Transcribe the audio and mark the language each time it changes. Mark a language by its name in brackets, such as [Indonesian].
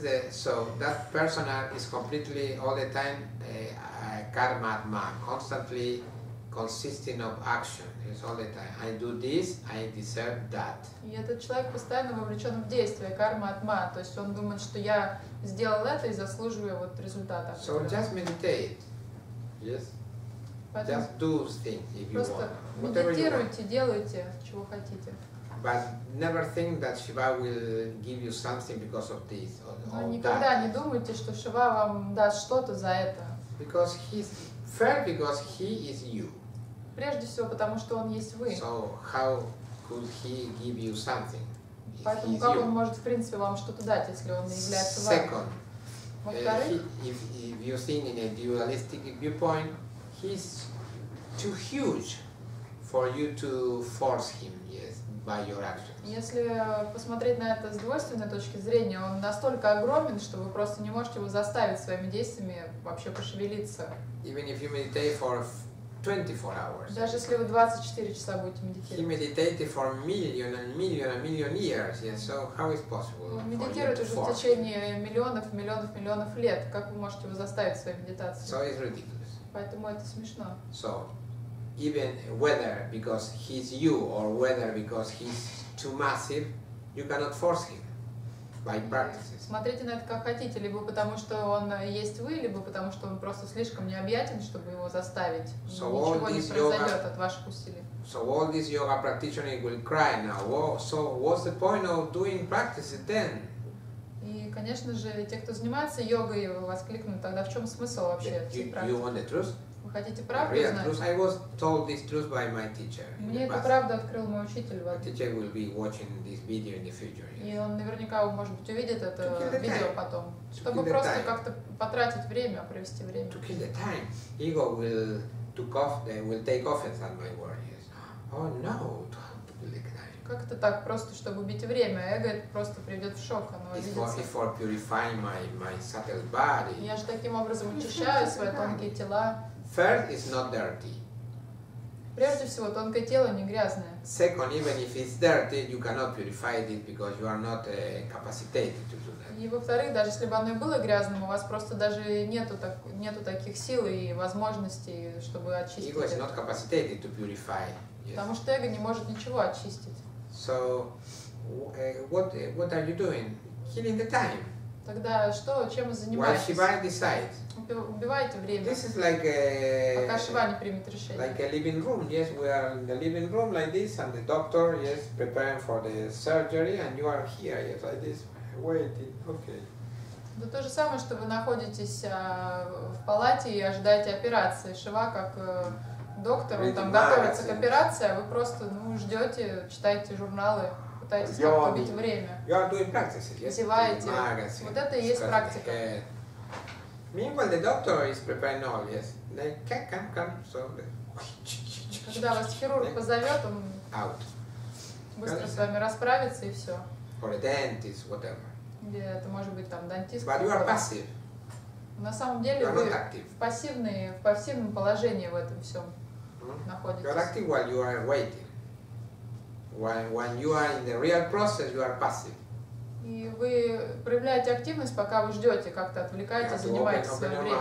[English] So that person is completely all the time a karmatma, constantly. Consisting of action, it's all the time. I do this, I deserve that. [Russian] И этот человек постоянно вовлечен в действие, карма атма, то есть он думает, что я сделал это и заслуживаю вот результата. [English] So just meditate, yes. But just do things if you want. [Russian] Просто медитируйте, делайте, чего хотите. [English] But never think that Shiva will give you something because of this or that. [Russian] Но никогда не думайте, что Шива вам даст что-то за это. [English] Because he's first, because he is you. [Russian] Прежде всего, потому что он есть вы. [English] So how could he give you something? [Russian] Поэтому как он может, в принципе, вам что-то дать, если он является вами? [English] Second, if you think in a dualistic viewpoint, he's too huge for you to force him, yes, by your actions. [Russian] Если посмотреть на это с двойственной точки зрения, он настолько огромен, что вы просто не можете его заставить своими действиями вообще пошевелиться. [English] Even if you meditate for 24 hours. [Russian] Даже если вы 24 часа будете медитировать. [English] He meditated for million and million and million years. Yes. So how is possible? [Russian] Он медитирует уже в течение миллионов, миллионов, миллионов лет. Как вы можете его заставить своей медитацией? [English] So it's ridiculous. [Russian] Поэтому это смешно. [English] So even whether because he's you or whether because he's too massive, you cannot force him. By practices. [Russian] Смотрите на это как хотите, либо потому что он есть вы, либо потому что он просто слишком необъятен, чтобы его заставить. [English] So [Russian] ничего не произойдет от ваших усилий. [English] So all these yoga practitioners will cry now. So what's the point of doing practices then? [Russian] И конечно же, те, кто занимается йогой, воскликнут, тогда в чем смысл вообще этой практики? [English] You want the truth? [Russian] Вы хотите правду знать? [English] Truth. I was told this truth by my teacher. [Russian] Мне эту правду открыл мой учитель. [English] My teacher will be watching this video in the future. [Russian] И он наверняка, может быть, увидит это видео потом, чтобы просто как-то потратить время, провести время. [English] To kill the time, ego will took off, will take offense at my warriors. Oh no, to kill the time. [Russian] Как это так, просто чтобы убить время? Эго это просто приведет в шок, оно видится. [English] For purifying my subtle body. [Russian] Я же таким образом очищаю свои тонкие тела. [English] First is not dirty. [Russian] Прежде всего, тонкое тело не грязное. [English] Second, even if it's dirty, you cannot purify it because you are not capacitated to do that. [Russian] И во-вторых, даже если бы оно и было грязным, у вас просто даже нету таких сил и возможностей, чтобы очистить. [English] Ego is not capacitated to purify. Yes. [Russian] Потому что эго не может ничего очистить. [English] So, what are you doing? Killing the time. [Russian] Тогда что, чем вы занимаетесь? Убиваете время. [English] This is like [Russian] пока Шива не примет решение. [English] Like a living room, yes, we are in the living room like this, and the doctor, yes, preparing for the surgery, and you are here, yes, like this, waiting, okay. [Russian] Да то же самое, что вы находитесь в палате и ожидаете операции. Шива как доктор, он там готовится к операции, а вы просто ждете, читаете журналы. Пытаетесь как-то убить время. [English] You are doing practices, yes? [Russian] Зеваете. Вот это и есть практика. [English] Meanwhile, the doctor is preparing all, yes? Like, come, so... [Russian] Когда вас хирург позовет, он [English] out. [Russian] Быстро с вами расправится, и все. [English] Or a dentist, whatever. [Russian] Или это может быть там дантист. [English] But you are passive. [Russian] На самом деле, вы в пассивном положении в этом всем находитесь. [English] You are active while you are waiting. When you are in the real process, you are passive. [Russian] И вы проявляете активность, пока вы ждете, как-то отвлекаетесь, занимаетесь своим